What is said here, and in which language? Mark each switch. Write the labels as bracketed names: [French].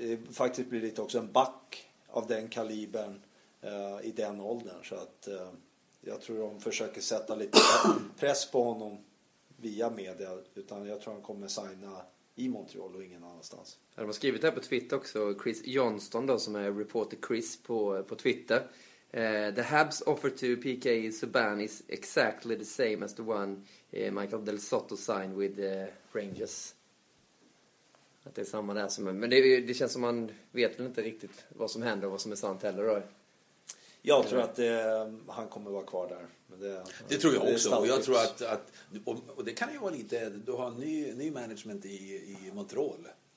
[Swedish] Faktiskt blir det också en back av den kalibern i den åldern. Så att jag tror de försöker sätta lite press på honom via media. Utan jag tror han kommer signa i Montreal och ingen annanstans. De har skrivit här på Twitter också, Chris Johnston då, som är reporter Chris på Twitter. [English] The Habs offer to PK Subban is exactly the same as the one Michael Del Sotto signed with the Rangers. [Swedish] Att det är samma där som... Men det känns som man vet väl inte riktigt vad som händer och vad som är sant heller då. Jag tror att han kommer vara kvar där. Det tror jag också. Och jag tror att det kan ju vara lite... Du har en ny management i Montreal.